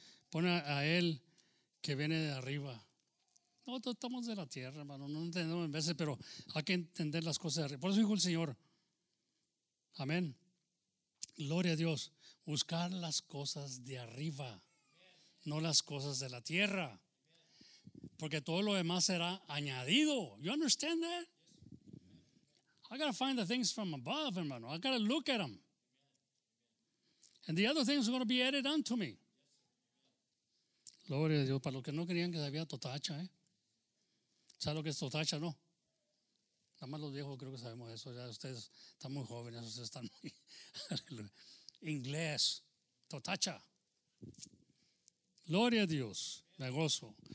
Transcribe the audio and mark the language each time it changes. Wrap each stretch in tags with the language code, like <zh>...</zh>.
<es>Pon a Él que viene de arriba. Nosotros estamos de la tierra, hermano, no entendemos en veces, pero hay que entender las cosas de arriba. Por eso dijo el Señor, amén, gloria a Dios, buscar las cosas de arriba, no las cosas de la tierra, porque todo lo demás será añadido.</es> <en>You understand that? I gotta find the things from above, hermano. I gotta look at them. And the other things are gonna be added unto me.</en> <es>Gloria a Dios, para los que no creían que había totacha, ¿Sabes lo que es totacha, no? Nada más los viejos creo que sabemos eso. Ya ustedes están muy jóvenes, ustedes están muy... Inglés, totacha. Gloria a Dios, me gozo.</es>